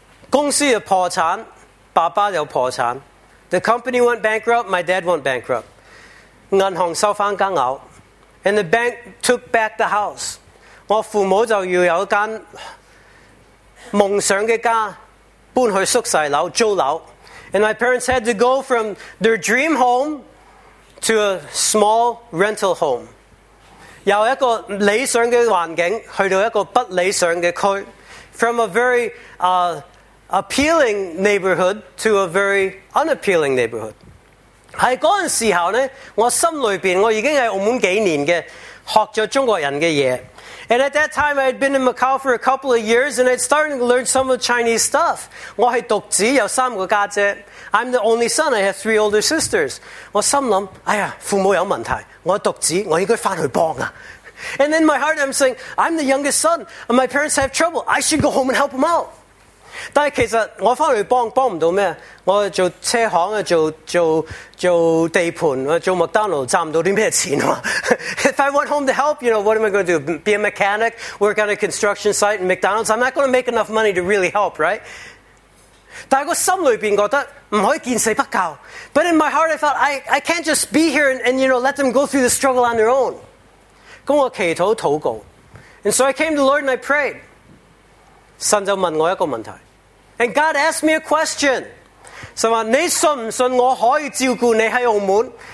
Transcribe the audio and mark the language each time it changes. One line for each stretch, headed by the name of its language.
Chinese: 公司又破产，爸爸又破产。
English: The company went bankrupt, my dad went bankrupt.
Chinese: 银行收翻间楼，
English: and the bank took back the house.
Chinese: 我父母就要有一间梦想的家，搬去宿舍楼租楼。
English: And my parents had to go from their dream home to a small rental home.
Chinese: 由一个理想的环境去到一个不理想的区，
English: from a very appealing neighborhood to a very unappealing neighborhood.
Chinese: 在那个时候呢，我心里边我已经在澳门几年的学了中国人的嘢。
English: And at that time I had been in Macau for a couple of years, and I'd started to learn some of the Chinese stuff.
Chinese: 我是独子，有三个家姐。
English: I'm the only son, I have three older sisters.
Chinese: 我心想，哎呀，父母有问题，我独子，我应该回去帮啊。
English: And in my heart I'm saying, I'm the youngest son, and my parents have trouble, I should go home and help them out.
Chinese: 但其实我回去帮不到什么，我做车行，做地盘，做麦当劳，赚不到什么钱。
English: If I went home to help, you know, what am I going to do? Be a mechanic, work on a construction site in McDonald's? I'm not going to make enough money to really help, right?
Chinese: 但我心里边觉得不可以见死不救。
English: But in my heart, I thought, I can't just be here and, you know, let them go through the struggle on their own.
Chinese: 跟我祈祷祷告。
English: And so I came to the Lord and I prayed.
Chinese: 神就问我一个问题。
English: And God asked me a question.
Chinese: 你信唔信我可以照顧你喺澳門?